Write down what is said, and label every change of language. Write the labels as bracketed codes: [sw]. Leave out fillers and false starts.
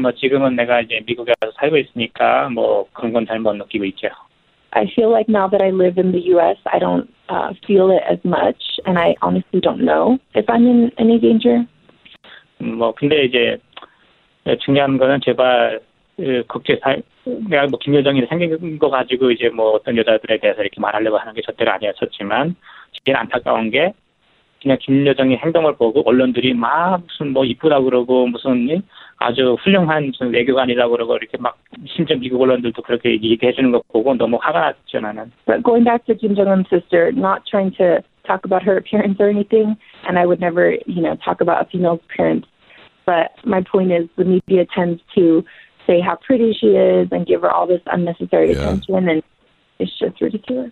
[ko] 뭐 지금은 내가 이제 미국에 와서 살고 있으니까 뭐 그런 건 잘 못 느끼고 있죠. [en] I feel like now that I live in the U.S., I don't feel it as much, and I honestly don't know if I'm in any danger. [ko] 뭐 근데 이제 중요한 거는 제발 내가 뭐 김여정이 생긴 거 가지고 이제 뭐 어떤 여자들에 대해서 이렇게 말하려고 하는 게 절대로 아니었었지만 제일 안타까운 게 그냥 김여정이 행동을 보고 언론들이 막 무슨 뭐 이쁘다고 그러고 무슨 아주 훌륭한 무슨 외교관이라고 그러고 이렇게 막 심지어 미국 언론들도 그렇게 얘기해 주는 거 보고 너무 화가 났죠 나는. [en] But going back to Kim Jong-un's sister, not trying to talk about her appearance or anything, and I would never, you know, talk about a female's appearance. But my point is, the media tends to say how pretty she is and give her all this unnecessary attention, and it's just ridiculous.